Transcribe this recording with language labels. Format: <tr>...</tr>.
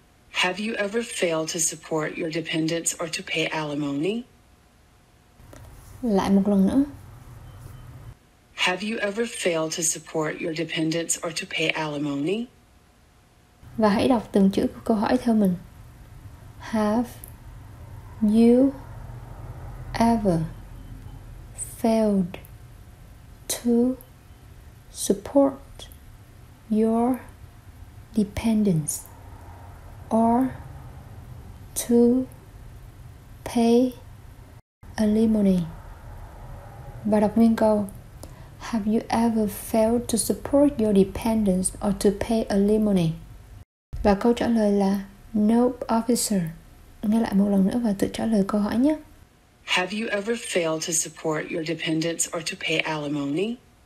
<en>Have you ever failed to support your dependents or to pay alimony?</en> <vi>Lại một lần nữa.</vi> <en>Have you ever failed to support your dependents or to pay alimony?</en> <vi>Và hãy đọc từng chữ của câu hỏi theo mình.</vi> <en>Have you ever failed to support your dependents or to pay alimony?</en> <vi>Và đọc nguyên câu.</vi> <en>Have you ever failed to support your dependents or to pay alimony?</en> <vi>Và câu trả lời là</vi> <en>nope, officer.</en> <vi>Nghe lại một lần nữa và tự trả lời câu hỏi nhé.</vi> <en>Have you ever failed to support your dependents or to pay alimony?</en>